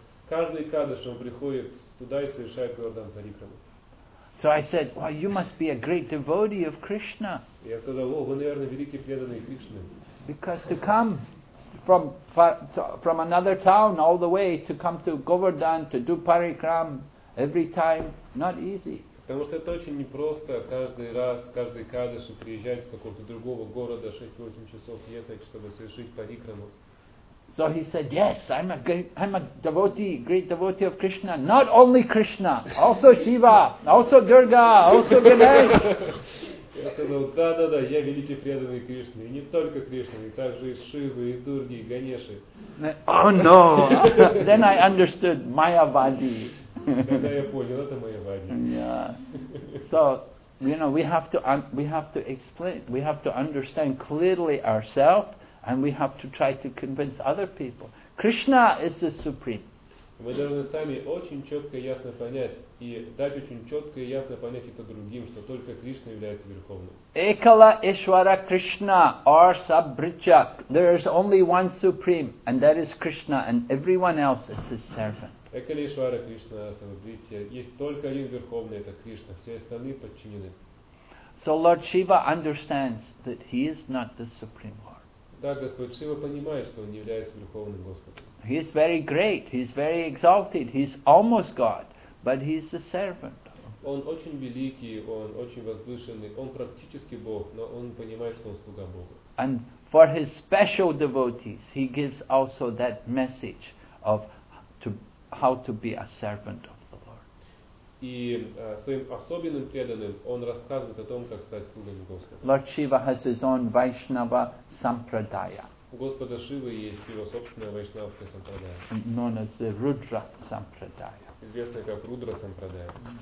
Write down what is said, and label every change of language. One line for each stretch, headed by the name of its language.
Russian: Каждый Ekadasi, он приходит туда и совершает Говардан Парикрама.
English: So I said, well, you must be a great devotee of Krishna.
Russian: Я сказал, о, вы, наверное, великий преданный Кришны.
English: Because to come from another town all the way to come to Govardhan to do Parikram every time, not easy.
Russian: Потому что это очень непросто каждый раз, каждый кадыш приезжать с какого-то другого города 6-8 часов ехать, чтобы совершить парикраму.
English: So he said, yes, I'm a great devotee of Krishna. Not only Krishna, also Shiva, also Durga, also Ganesh.
Russian: Я сказал, да, я великий преданный Кришне. И не только Кришне, и также и Шивы, и Дурги, и Ганеши.
English: Oh no! Then I understood Mayavadi. Yeah. So, you know, we have to explain. We have to understand clearly ourselves, and we have to try to convince other people. Krishna is the supreme.
Russian: Мы должны сами очень четко и ясно понять и дать очень четко и ясно понять это другим, что только Кришна является верховным.
Bangla: Ekala Ishvara Krishna or Sabrija.
English: There is only one supreme, and that is Krishna, and everyone else is his servant.
Bangla: Ekala Ishvara Krishna Sabrija.
Russian: Есть только один верховный, это Кришна. Все остальные подчинены.
English: So Lord Shiva understands that he is not the supreme Lord.
Russian: Так, Господь Шива понимает, что он является Верховным Господом.
English: He is very great, he is very exalted, he is almost God, but he is the servant.
Russian: Он очень великий, он очень возвышенный, он практически Бог, но он понимает, что он слуга Бога.
English: And for his special devotees, he gives also that message of how to be a servant of the Lord.
Russian: И своим особенным преданным он рассказывает о том, как стать слугами Господа.
English: Lord Shiva has his own Vaishnava Sampradaya.
Russian: У Господа Шивы есть его собственная вайшнавская сампрадая.
English: Known as the Rudra Sampradaya.
Russian: Известная как Рудра Сампрадая.